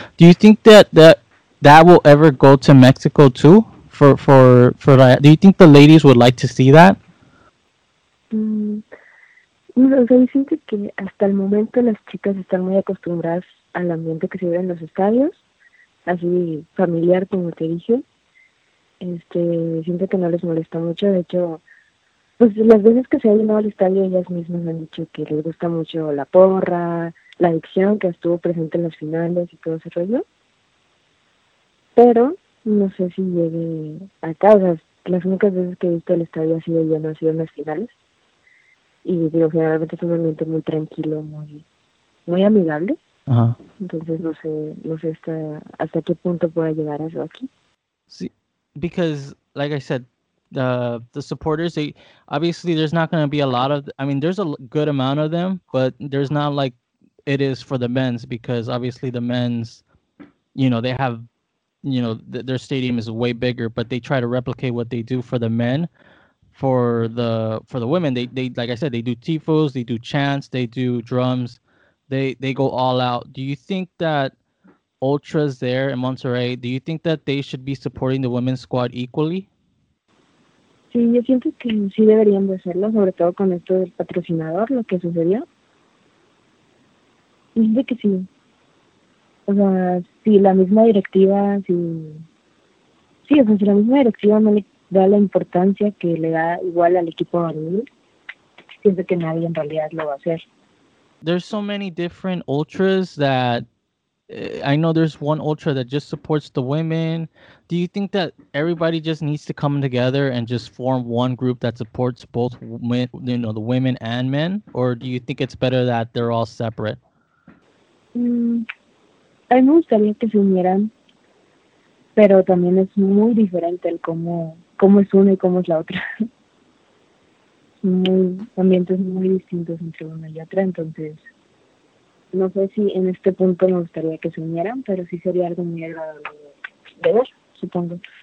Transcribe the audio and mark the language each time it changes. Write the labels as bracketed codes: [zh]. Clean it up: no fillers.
[en] Do you think that will ever go to Mexico too? For do you think the ladies would like to see that? [es] O sea, yo siento que hasta el momento las chicas están muy acostumbradas al ambiente que se vive en los estadios, así familiar como te dije. Siento que no les molesta mucho. De hecho, pues las veces que se ha llenado el estadio, ellas mismas han dicho que les gusta mucho la porra, la adicción que estuvo presente en las finales y todo ese rollo. Pero no sé si llegue acá. O sea, las únicas veces que he visto el estadio ha sido lleno, ha sido en las finales. Y digo, generalmente es un ambiente muy tranquilo, muy, muy amigable. Ajá. Entonces no sé hasta qué punto pueda llegar eso aquí. [en] Sí, because, like I said, the supporters, they obviously, there's not going to be a lot of, I mean, there's a good amount of them, but there's not like it is for the men's, because obviously the men's, you know, they have, you know, their stadium is way bigger, but they try to replicate what they do for the men. For the women, they like I said, they do tifos, they do chants, they do drums, they go all out. Do you think that ultras there in Monterrey, do you think that they should be supporting the women's squad equally? [es] Sí, yo siento que sí deberían de hacerlo, sobre todo con esto del patrocinador, lo que sucedió. Y siento que sí. O sea, si la misma directiva, si la misma directiva no le da la importancia que le da igual al equipo varonil, siento que nadie en realidad lo va a hacer. [en] There's so many different ultras that I know there's one ultra that just supports the women. Do you think that everybody just needs to come together and just form one group that supports both, you know, the women and men? Or do you think it's better that they're all separate? [es] A mí me gustaría que se unieran, pero también es muy diferente el cómo es una y cómo es la otra. Ambientes muy distintos entre una y otra, entonces no sé si en este punto me gustaría que se unieran, pero sí sería algo muy agradable de ver, supongo.